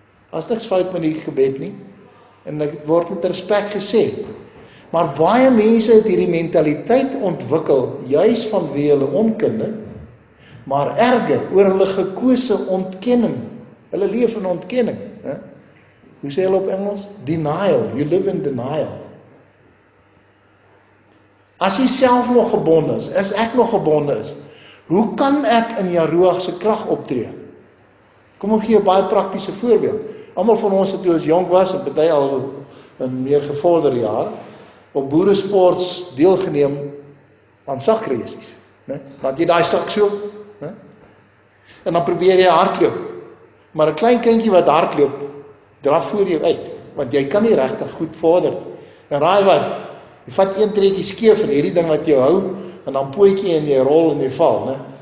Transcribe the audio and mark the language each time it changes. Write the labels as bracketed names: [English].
[Afrikaans] As niks fout met die gebed nie, en ek word met respek gesê, maar baie mense het hierdie mentaliteit ontwikkel, juis vanweë hulle onkunde, maar erger, oor hulle gekose ontkenning, hulle leef in ontkenning, he? Hoe sê hulle op Engels? [English] Denial, you live in denial. [Afrikaans] As jy self nog gebonde is, as ek nog gebonde is, hoe kan ek in Jaruach se krag optree? Kom, ek gee jou baie praktiese voorbeeld. Almal van ons het toe ons jonk was, en party al in meer gevorderde jaar, op boeresports deelgeneem aan sakreesies, he? Want jy daai sak so, en dan probeer jy hardloop, maar 'n klein kindjie wat hardloop, draf voor jou uit, want jy kan nie regtig goed vorder. En raai wat, jy vat een trekkie skeef in hierdie ding wat jou hou, en dan pootjie en jy rol en jy val, né?